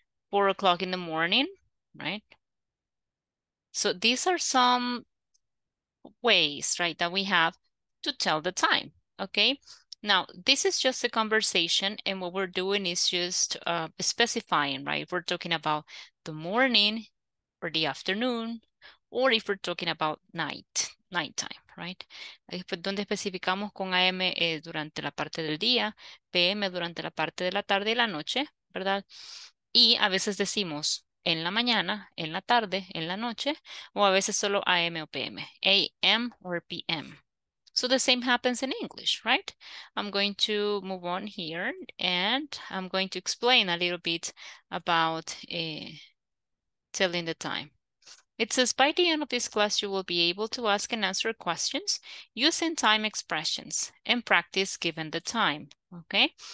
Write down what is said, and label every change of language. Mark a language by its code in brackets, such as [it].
[en] 4 o'clock in the morning, right? So these are some ways, right, that we have to tell the time, okay? Now, this is just a conversation, and what we're doing is just specifying, right? We're talking about the morning or the afternoon, or if we're talking about nighttime, right? [es] Donde especificamos con AM durante la parte del día, PM durante la parte de la tarde y la noche, ¿verdad? Y a veces decimos en la mañana, en la tarde, en la noche, o a veces solo AM o PM, AM or PM. [en] So the same happens in English, right? I'm going to move on here and I'm going to explain a little bit about telling the time. It says, by the end of this class, you will be able to ask and answer questions using time expressions and practice given the time, okay?